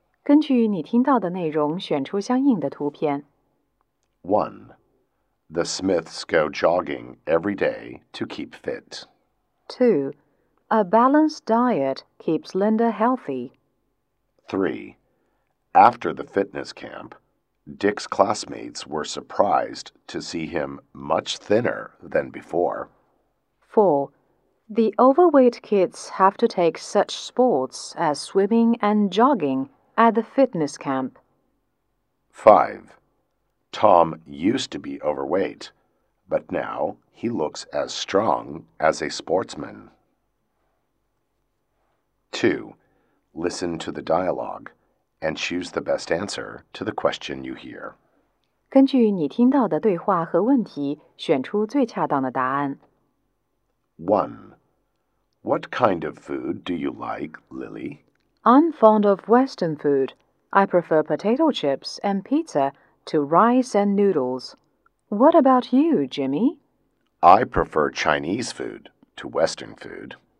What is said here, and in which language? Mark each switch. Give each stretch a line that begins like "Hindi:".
Chinese: 根据你听到的内容选出相应的图片。
English: 1. The Smiths go jogging every day to keep fit. 2. A balanced diet keeps Linda healthy. 3. After the fitness camp, Dick's classmates were surprised to see him much thinner than before. 4. The overweight kids have to take such sports as swimming and jogging at the fitness camp. 5. Tom used to be overweight, but now he looks as strong as a sportsman. 2. Listen to the dialogue and choose the best answer to the question you hear.
Chinese: 根据你听到的对话和问题，选出最恰当的答案。
English: 1. What kind of food do you like, Lily? I'm fond of Western food. I prefer potato chips and pizza to rice and noodles. What about you, Jimmy? I prefer Chinese food to Western food.